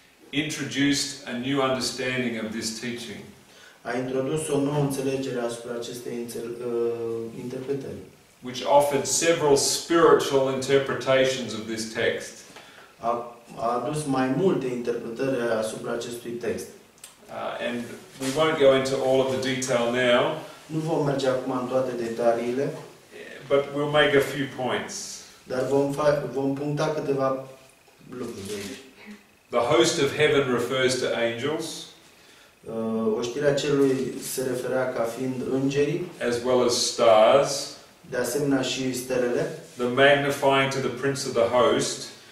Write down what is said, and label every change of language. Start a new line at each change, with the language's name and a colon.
English: introduced a new understanding of this teaching.
Romanian: A introdus o nouă înțelegere asupra acestei interpretări,
English: which offered several spiritual interpretations of this text.
Romanian: A adus mai multe interpretări asupra acestui text.
English: And we won't go into all of the detail now.
Romanian: Nu vom merge acum în toate detaliile.
English: But we'll make a few points.
Romanian: Dar vom puncta câteva lucruri.
English: The host of heaven refers to angels.
Romanian: Oștirea cerului se referea ca fiind îngerii.
English: As well as stars.
Romanian: De asemenea și stelele.
English: The magnifying to the prince of the host.